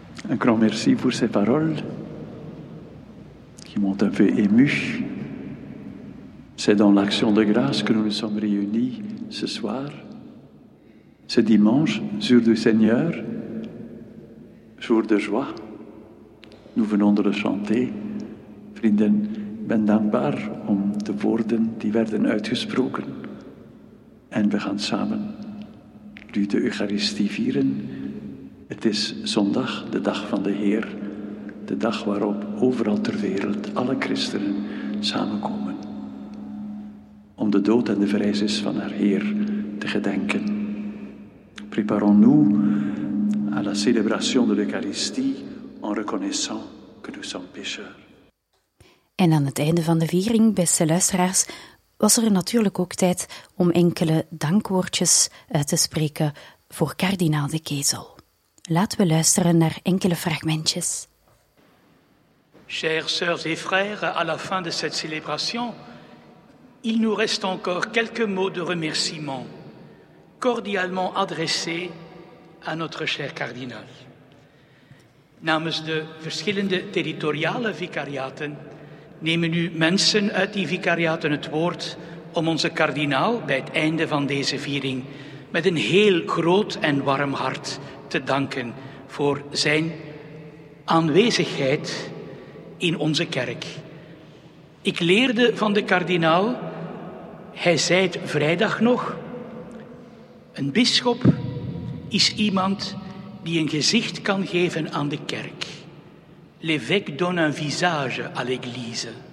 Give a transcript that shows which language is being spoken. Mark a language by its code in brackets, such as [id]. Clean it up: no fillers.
[fr] Un grand merci pour ces paroles qui sont un peu émus. C'est dans l'action de grâce que nous nous sommes réunis ce soir, ce dimanche, jour du Seigneur, jour de joie. Nous venons de le chanter. [nl] Vrienden, ben dankbaar om de woorden die werden uitgesproken. En we gaan samen nu de Eucharistie vieren. Het is zondag, de dag van de Heer. De dag waarop overal ter wereld alle christenen samenkomen. Om de dood en de verrijzenis van haar Heer te gedenken. [fr] Préparons-nous à la célébration de l'Eucharistie en reconnaissant que nous sommes pécheurs. [nl] En aan het einde van de viering, beste luisteraars, was er natuurlijk ook tijd om enkele dankwoordjes te spreken voor kardinaal De Kesel. Laten we luisteren naar enkele fragmentjes. [fr] Chers sœurs et frères, à la fin de cette célébration, il nous reste encore quelques mots de remerciement cordialement adressés à notre cher kardinaal. [nl] Namens de verschillende territoriale vicariaten nemen nu mensen uit die vicariaten het woord om onze kardinaal bij het einde van deze viering met een heel groot en warm hart te danken voor zijn aanwezigheid in onze kerk. Ik leerde van de kardinaal, hij zei het vrijdag nog, een bisschop is iemand die een gezicht kan geven aan de kerk. [fr] L'évêque donne un visage à l'église.